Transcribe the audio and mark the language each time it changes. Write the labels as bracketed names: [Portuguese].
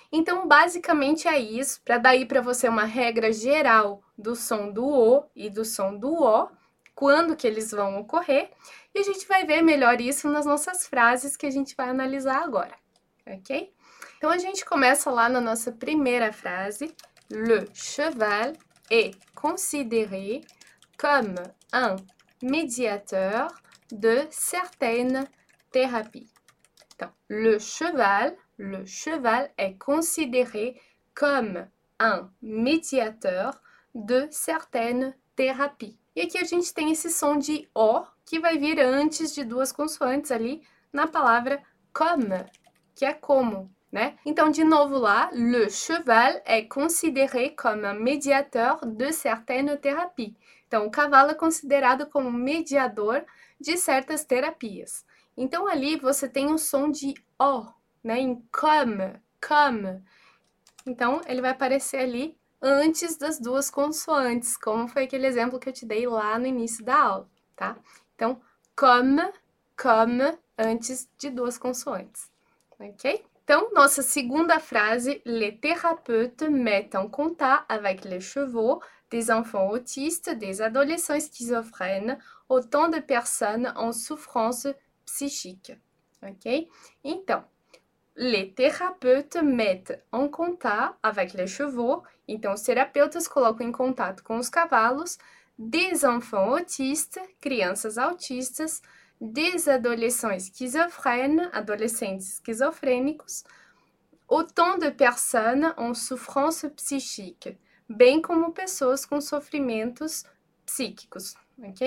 [Portuguese] Então, basicamente é isso. Para daí para você uma regra geral do som do O e do som do O, quando que eles vão ocorrer. E a gente vai ver melhor isso nas nossas frases que a gente vai analisar agora. Ok? Então a gente começa lá na nossa primeira frase. [French] Le cheval est considéré comme un médiateur de certaines thérapies. Então, le cheval est considéré comme un médiateur de certaines thérapies. [Portuguese] E aqui a gente tem esse som de O que vai vir antes de duas consoantes ali na palavra comme. Que é como, né? Então, de novo lá, [French] le cheval est considéré comme un médiateur de certaines thérapies. [Portuguese] Então, o cavalo é considerado como mediador de certas terapias. Então, ali você tem um som de O, né? Em comme, comme. Então, ele vai aparecer ali antes das duas consoantes, como foi aquele exemplo que eu te dei lá no início da aula, tá? Então, comme, comme, antes de duas consoantes. Ok? Então, nossa segunda frase: [French] Les thérapeutes mettent en contact avec les chevaux des enfants autistes, des adolescents schizophrènes, autant de personnes en souffrance psychique. Ok? Então, les thérapeutes mettent en contact avec les chevaux. [Portuguese] Então, os terapeutas colocam em contato com os cavalos [French] des enfants autistes, [Portuguese] crianças autistas. [French] Des adolescents schizophrènes, [Portuguese] adolescentes esquizofrênicos, [French] autant de personnes en souffrance psychique, [Portuguese] bem como pessoas com sofrimentos psíquicos, ok?